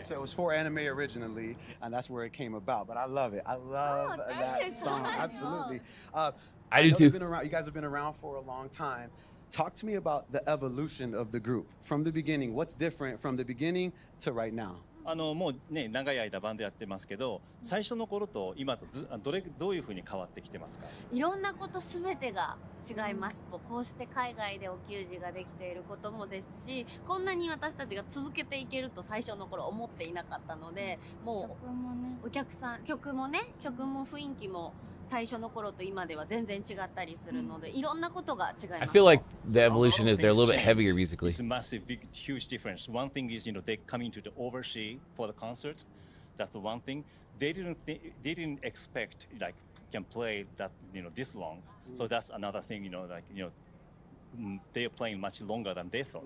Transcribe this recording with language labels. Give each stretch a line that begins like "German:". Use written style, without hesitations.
English: so it was for anime originally, and that's where it came about. But I love it. I love that song. Absolutely. I do too. You guys have been around for a long time. Talk to me about the evolution of the group from the beginning. What's different from the beginning to right now?
Japanese: もうね、長い間バンドやってますけど、最初の頃と今とどういうふうに変わってきてますか？いろんなことすべてが違います。こうして海外でお給仕ができていることもですし、こんなに私たちが続けていけると最初の頃思っていなかったので、もう曲もね、お客さん、曲もね、曲も雰囲気も最初の頃と今では全然違ったりするので、いろんなことが違います。
English: I feel like the evolution is they're a little bit heavier musically. It's a massive, big, huge difference. One thing is, you know, they come into the overseas for the concert. That's one thing. They didn't expect like can play that, you know, this long. So that's another thing, you know, like, you know, they're playing much longer than they thought.